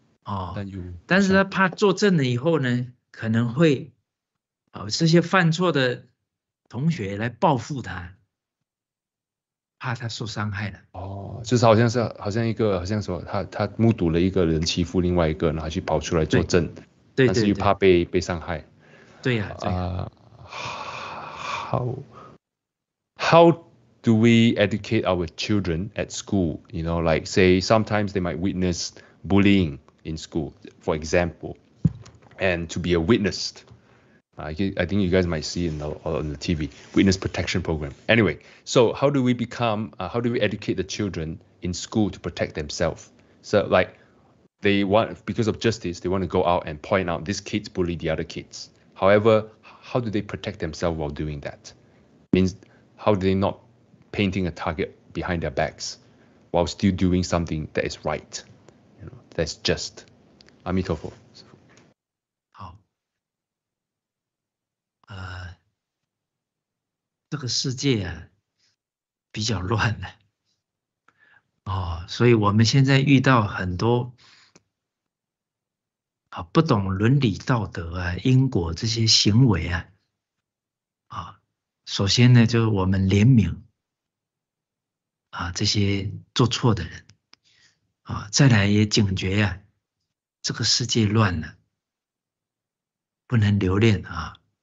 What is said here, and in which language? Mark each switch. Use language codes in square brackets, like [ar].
[zh] 哦、但是他怕做正了以后呢，可能会、哦、这些犯错的同学来报复他，怕他受伤害了。哦，就是好像一个，好像说他目睹了一个人欺负另外一个，然后去跑出来做正，对，但是又怕被伤害。对呀、 [en] 啊啊，How do we educate our children at school? You know, like say sometimes they might witness bullying in school, for example, and to be a witness. I think you guys might see on the TV, witness protection program. Anyway, so how do we become, how do we educate the children in school to protect themselves? So like they want, because of justice, they want to go out and point out this kid's bully the other kids. However, how do they protect themselves while doing that? Means how do they not painting a target behind their backs while still doing something that is right, you know, that's just. [zh] 阿弥陀佛。好，这个世界啊比较乱了，哦，所以我们现在遇到很多啊不懂伦理道德啊因果这些行为啊，啊，首先呢就是我们怜悯啊，这些做错的人啊，再来也警觉呀、啊，这个世界乱了，不能留恋啊。